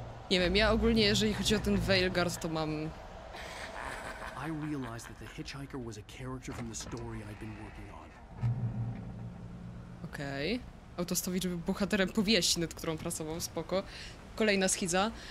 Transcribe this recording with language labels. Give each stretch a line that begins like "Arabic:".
Polish: Nie wiem, ja ogólnie, jeżeli chodzi o ten Veilguard, to mam...
English: I realized that the hitchhiker was a character from the story I'd been working on.
Polish: Okej. Autostowicz był bohaterem powieści, nad którą pracował, spoko. Kolejna schiza.